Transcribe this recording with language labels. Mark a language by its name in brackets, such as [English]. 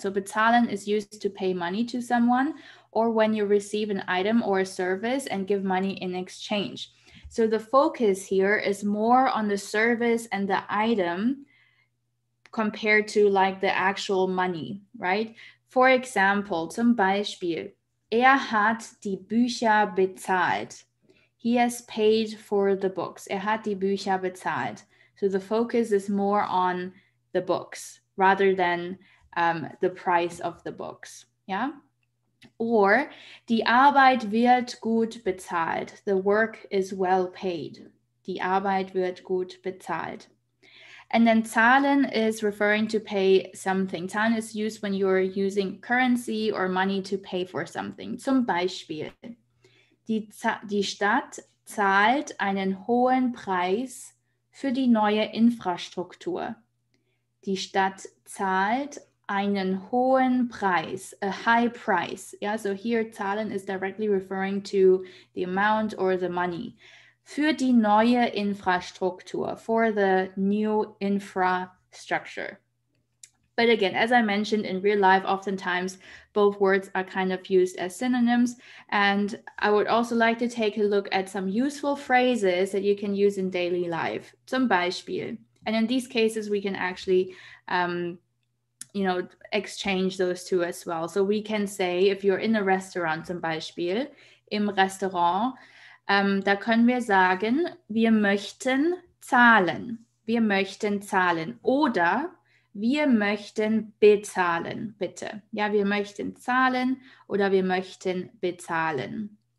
[English] So bezahlen is used to pay money to someone or when you receive an item or a service and give money in exchange. So the focus here is more on the service and the item compared to like the actual money, right? For example, [German] zum Beispiel, er hat die Bücher bezahlt. [English] He has paid for the books. [German] Er hat die Bücher bezahlt. [English] So the focus is more on the books rather than the price of the books, yeah? [German] Or die Arbeit wird gut bezahlt. [English] The work is well paid. [German] Die Arbeit wird gut bezahlt. [English] And then zahlen is referring to pay something. Zahlen is used when you're using currency or money to pay for something. [German] Zum Beispiel, die Stadt zahlt einen hohen Preis für die neue Infrastruktur. Die Stadt zahlt einen hohen Preis, [English] a high price. Yeah, so here zahlen is directly referring to the amount or the money. [German] Für die neue Infrastruktur, [English] for the new infrastructure. But again, as I mentioned, in real life, oftentimes both words are kind of used as synonyms. And I would also like to take a look at some useful phrases that you can use in daily life. [German] Zum Beispiel. [English] And in these cases, we can actually, exchange those two as well. So we can say, if you're in a restaurant, [German] zum Beispiel, im Restaurant, da können wir sagen, wir möchten zahlen. Wir möchten zahlen. Oder wir möchten bezahlen, bitte. Ja, wir möchten zahlen oder wir möchten bezahlen.